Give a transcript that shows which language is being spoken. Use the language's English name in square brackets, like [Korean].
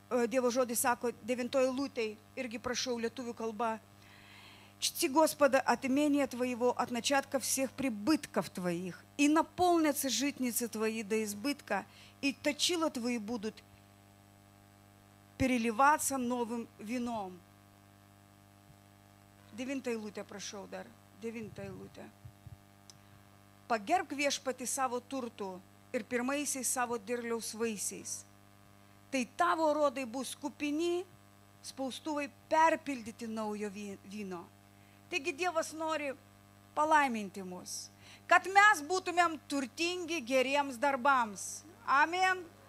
[Lithuanian] Dievo žodis sako 9 eilutėj, irgi prašau lietuvių kalba. [Russian] Чти Господа от имени твоего, от начатка всех прибытков твоих, и наполнятся житницы твои до избытка, и точила твои будут переливаться новым вином. [Lithuanian] 9 eilutė, [Russian] прошу дар. [Lithuanian] 9 eilutė. Pagerbk Viešpatį savo turtų ir pirmaisiais savo dirliaus vaisiais. Tai tavo rodai bus kupini, spaustuvai perpildyti naujo vyno. Taigi Dievas nori palaiminti mus, kad mes būtumėm turtingi geriems darbams. Amen.